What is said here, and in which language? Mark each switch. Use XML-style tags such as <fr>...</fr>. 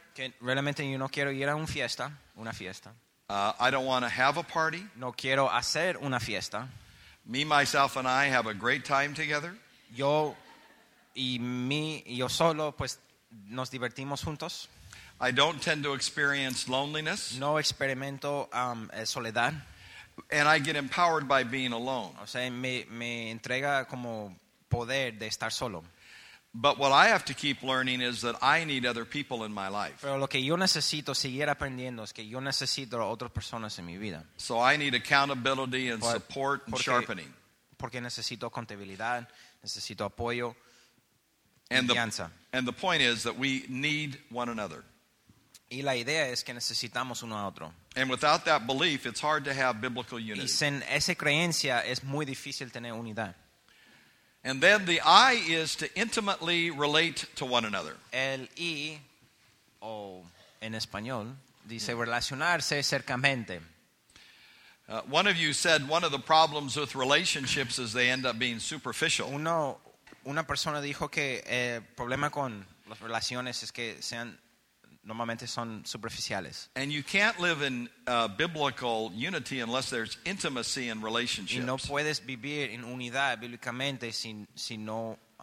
<es>Que realmente yo no quiero ir a una fiesta. Una fiesta.</es> <en>I don't want to have a party.</en> <es>No quiero hacer una fiesta.</es> <en>Me, myself, and I have a great time together.</en> <es>Yo y mí y yo solo, pues, nos divertimos juntos.</es> <en>I don't tend to experience loneliness.</en> <es>No experimento soledad.</es> <en>And I get empowered by being alone.</en> <es>O sea, me entrega como poder de estar solo.</es> <en>But what I have to keep learning is that I need other people in my life.</en> <es>Pero lo que yo necesito seguir aprendiendo es que yo necesito a otras personas en mi vida.</es> <en>So I need accountability and support and sharpening.</en> <es>Porque necesito contabilidad, necesito apoyo, confianza.</es> <en>And the point is that we need one another.</en> <es>Y la idea es que necesitamos uno a otro.</es> <en>And without that belief, it's hard to have biblical unity.</en> <es>Y sin esa creencia, es muy difícil tener unidad.</es> <en>And then the I is to intimately relate to one another.</en> <es>El I, o en español, dice relacionarse cercamente.</es> <en>One of you said one of the problems with relationships is they end up being superficial.</en> <es>Una persona dijo que el problema con las relaciones es que sean normalmente son superficiales.</es> <en>And you can't live in biblical unity unless there's intimacy in relationships.</en> <es>Y no puedes vivir en unidad bíblicamente si no</es>